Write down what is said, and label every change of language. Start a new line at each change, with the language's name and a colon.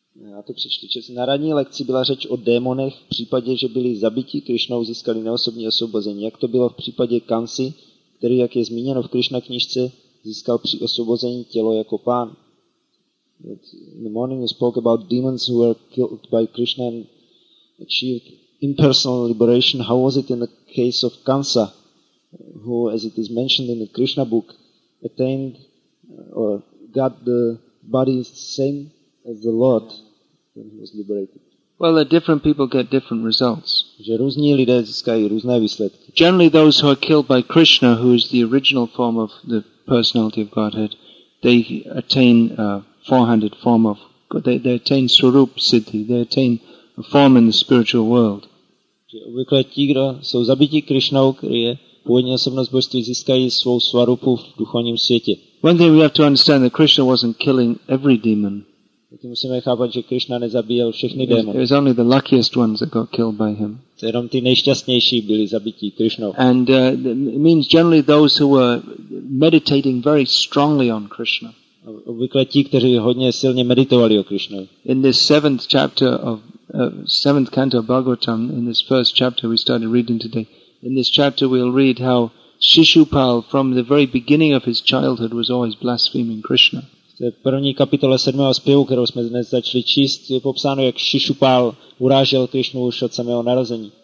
Czech: Já to přečtu. Na ranní lekci byla řeč o démonech v případě, že byli zabiti Krishnou, získali neosobní osvobození. Jak to bylo v případě Kansi, který, jak je zmíněno v Krishna knižce, získal při osvobození tělo jako pán?
English: But in the morning you spoke about demons who were killed by Krishna and achieved impersonal liberation. How was it in the case of Kansa, who, as it is mentioned in the Krishna book, attained or got the body same as the Lord when he was liberated? Well, the different people get different results.
Czech: Že různí lidé získají různé výsledky.
English: Generally, those who are killed by Krishna, who is the original form of the personality of Godhead, they attain four-handed form of God. They attain swarup siddhi. They attain a form in the spiritual world.
Czech: Obvykle ti, kdo jsou zabiti Krishnou, který je původní osobnost božství, získají svou svarupu v duchovním světě.
English: One thing we have to understand that Krishna wasn't killing every demon.
Czech: Taky musíme chápat, že Krishna nezabíjel všechny démony.
English: It was only the luckiest ones that got killed by him.
Czech: Jenom ty nejšťastnější byli zabití Krishnou.
English: And it means generally those who were meditating very strongly on Krishna.
Czech: Obvykle ti, kteří hodně silně meditovali o Krishnovi.
English: In this seventh chapter of seventh canto of Bhagavatam, in this first chapter we started reading today, in this chapter we'll read how Shishupal from the very beginning of his childhood was always blaspheming Krishna.
Czech: V první kapitole sedmého zpěvu, kterou jsme dnes začali číst, je popsáno, jak Shishupal urážel Krishnu už od samého narození.